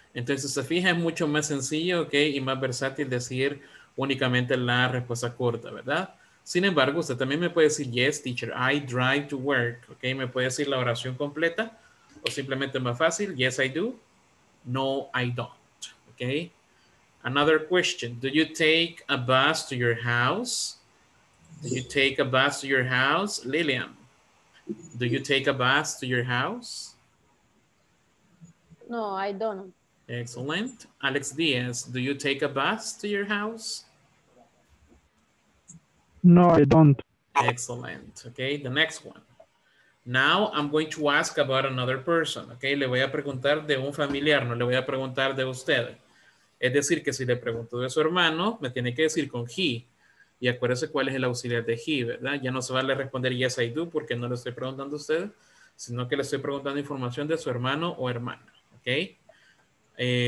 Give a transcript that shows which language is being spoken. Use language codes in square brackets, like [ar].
[es] Entonces, se fija, es mucho más sencillo, okay, y más versátil decir únicamente la respuesta corta, ¿verdad? Sin embargo, usted también me puede decir, [en] yes, teacher, I drive to work, [es] okay. Me puede decir la oración completa, o simplemente más fácil, [en] yes, I do. No, I don't. Okay, another question. Do you take a bus to your house? Do you take a bus to your house? Lillian, do you take a bus to your house? No, I don't. Excellent. Alex Diaz, do you take a bus to your house? No, I don't. Excellent. Okay, the next one. Now I'm going to ask about another person. [es] Okay, le voy a preguntar de un familiar, no le voy a preguntar de usted. Es decir, que si le pregunto de su hermano, me tiene que decir con he. Y acuérdese cuál es el auxiliar de he, ¿verdad? Ya no se vale responder [en] yes, I do, [es] porque no le estoy preguntando a usted, sino que le estoy preguntando información de su hermano o hermana, ¿ok?